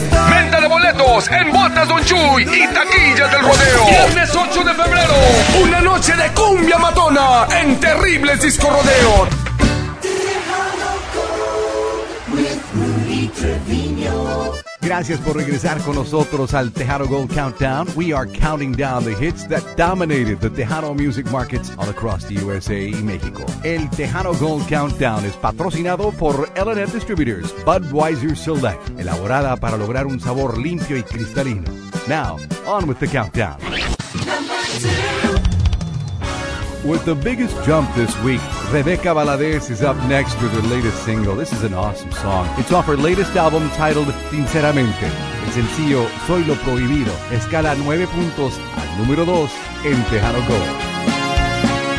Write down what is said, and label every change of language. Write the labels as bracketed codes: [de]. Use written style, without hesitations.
[es] Venta de boletos en Botas Don Chuy y taquillas del rodeo. Viernes 8 de febrero, una noche de cumbia matona en terrible disco rodeo. Gracias por regresar con nosotros al Tejano Gold Countdown. [en] We are counting down the hits that dominated the Tejano music markets all across the USA [es] y México. El Tejano Gold Countdown es patrocinado por L&M Distributors Budweiser Select, elaborada para lograr un sabor limpio y cristalino. [en] Now, on with the countdown. With the biggest jump this week, Rebeca Valadez is up next with her latest single. This is an awesome song. It's off her latest album titled Sinceramente. [es] El sencillo Soy lo Prohibido escala 9 puntos al número 2 en Tejano Gold.